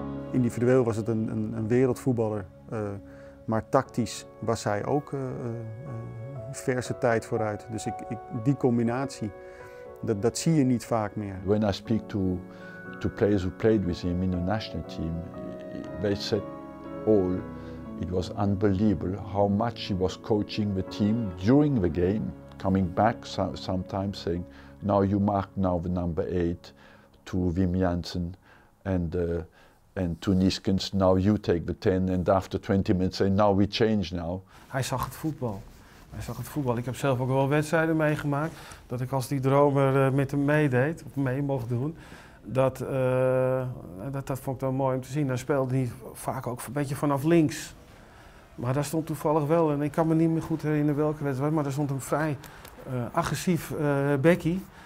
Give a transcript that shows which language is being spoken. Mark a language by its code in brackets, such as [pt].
[nl] Individueel was het een wereldvoetballer, maar tactisch was hij ook verse tijd vooruit. Dus ik die combinatie, dat zie je niet vaak meer. [en] When I speak to players who played with him in the national team, they said all it was unbelievable how much he was coaching the team during the game, coming back sometimes saying, now you mark now the number 8 to Wim Jansen and to Niskens, now you take the 10, and after 20 minutes say, now we change now. [nl] Hij zag het voetbal. Hij zag het voetbal. Ik heb zelf ook wel wedstrijden meegemaakt, dat ik als die dromer met hem meedeed, of mee mocht doen, dat vond ik dan mooi om te zien. Dan speelde hij vaak ook een beetje vanaf links. Maar daar stond toevallig wel, en ik kan me niet meer goed herinneren welke wedstrijd, maar daar stond een vrij agressief bekkie.